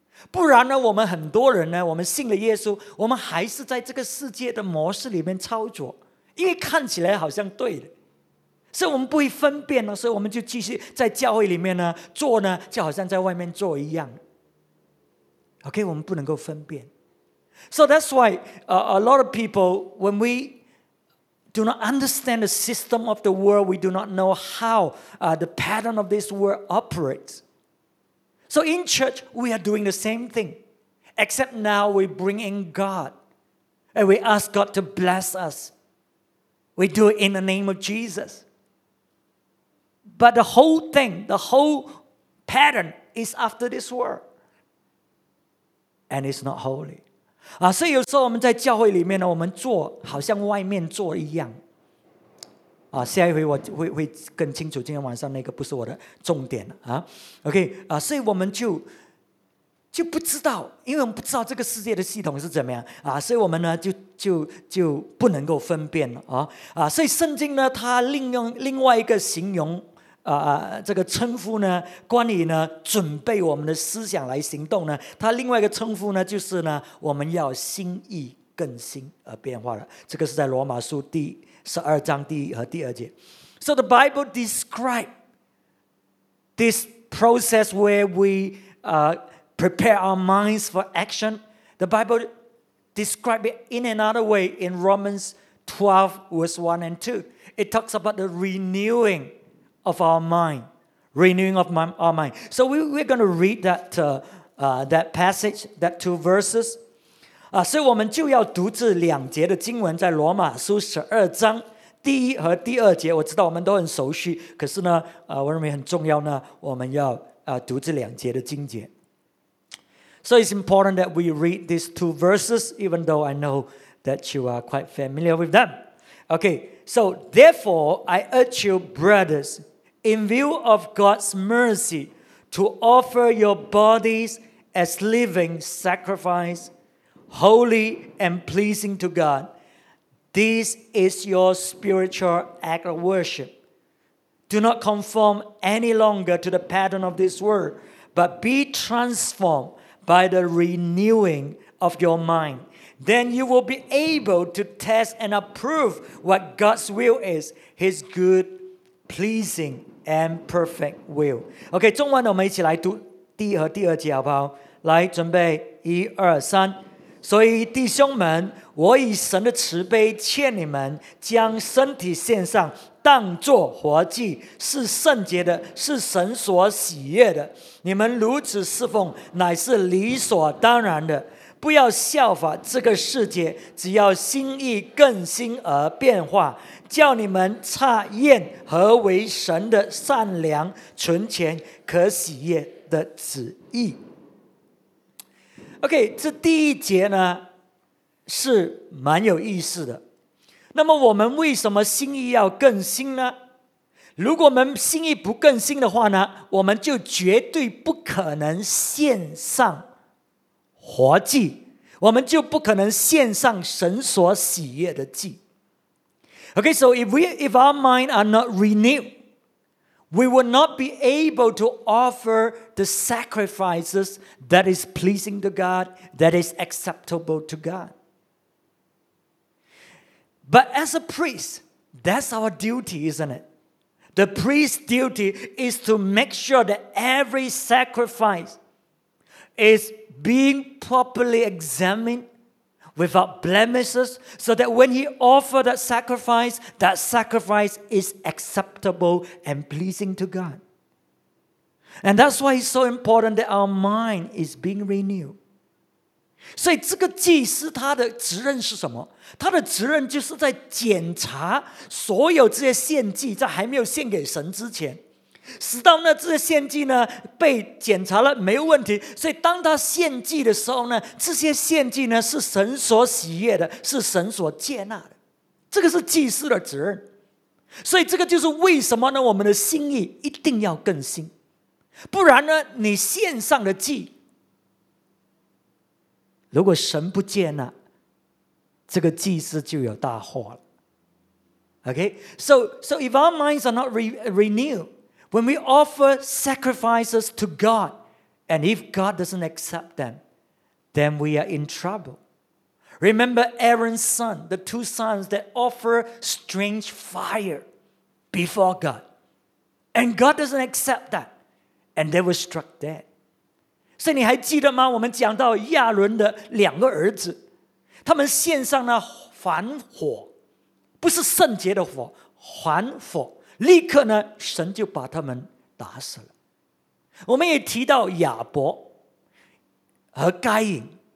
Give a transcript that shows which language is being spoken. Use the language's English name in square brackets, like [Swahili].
[Chinese] 不然呢，我们很多人呢，我们信了耶稣，我们还是在这个世界的模式里面操作，因为看起来好像对的，所以我们不会分辨呢，所以我们就继续在教会里面呢做呢，就好像在外面做一样。 OK， 我们不能够分辨。 [English] So that's why a lot of people, when we do not understand the system of the world, we do not know how the pattern of this world operates. So in church, we are doing the same thing, except now we bring in God and we ask God to bless us. We do it in the name of Jesus. But the whole thing, the whole pattern is after this world. And it's not holy. [Chinese] 所以有时候我们在教会里面呢，我们做好像外面做一样。下一回我 会更清楚，今天晚上那个不是我的重点。 OK，所以我们就不知道，因为我们不知道这个世界的系统是怎么样。所以我们呢 就不能够分辨。所以圣经呢它另外一个形容这个称呼呢，关于呢准备我们的思想来行动呢，它另外一个称呼呢就是呢我们要心意更新而变化了。这个是在罗马书第十二章第一和第二节。 [English] So the Bible describes this process where we prepare our minds for action. The Bible describes it in another way in Romans 12 verse 1 and 2. It talks about the renewingOf our mind, renewing of our mind. So we're going to read that passage, that two verses. [Chinese] 所以我们就要读这两节的经文，在罗马书十二章第一和第二节。我知道我们都很熟悉，可是呢，我认为很重要呢，我们要读这两节的经节。 [English] So it's important that we read these two verses, even though I know that you are quite familiar with them. Okay. So, therefore, I urge you, brothers, in view of God's mercy, to offer your bodies as living sacrifice, holy and pleasing to God. This is your spiritual act of worship. Do not conform any longer to the pattern of this world, but be transformed by the renewing of your mind. Then you will be able to test and approve what God's will is, His good, pleasing, and perfect will. [Chinese] OK, 中文我们一起来读第一和第二节好不好？来，准备，一、二、三。所以弟兄们，我以神的慈悲劝你们，将身体献上，当作活祭，是圣洁的，是神所喜悦的。你们如此侍奉，乃是理所当然的。不要效法这个世界，只要心意更新而变化，叫你们察验何为神的善良、纯全、可喜悦的旨意。 OK， 这第一节呢是蛮有意思的。那么我们为什么心意要更新呢？如果我们心意不更新的话呢，我们就绝对不可能献上活祭，我们就不可能献上神所喜悦的祭。 [English] Okay, so if our mind are not renewed, we will not be able to offer the sacrifices that is pleasing to God, that is acceptable to God. But as a priest, that's our duty, isn't it? The priest's duty is to make sure that every sacrifice is being properly examined without blemishes so that when he offered that sacrifice is acceptable and pleasing to God. And that's why it's so important that our mind is being renewed. [Chinese] 所以这个祭司他的职任是什么？他的职任就是在检查所有这些献祭在还没有献给神之前。使到呢这些献祭呢被检查了没有问题，所以当他献祭的时候呢，这些献祭呢是神所喜悦的，是神所接纳的，这个是祭司的责任。所以这个就是为什么呢，我们的心意一定要更新，不然呢你献上的祭如果神不见了，这个祭司就有大祸了。 [English] Okay, so if our minds are not renewed, when we offer sacrifices to God, and if God doesn't accept them, then we are in trouble. Remember Aaron's son, the two sons that offer strange fire before God. And God doesn't accept that. And they were struck dead. [Chinese] 所以你还记得吗？我们讲到亚伦的两个儿子，他们献上了燔火，不是圣洁的火，燔火。立刻呢，神就把他们打死了。我们也提到亚伯和该隐。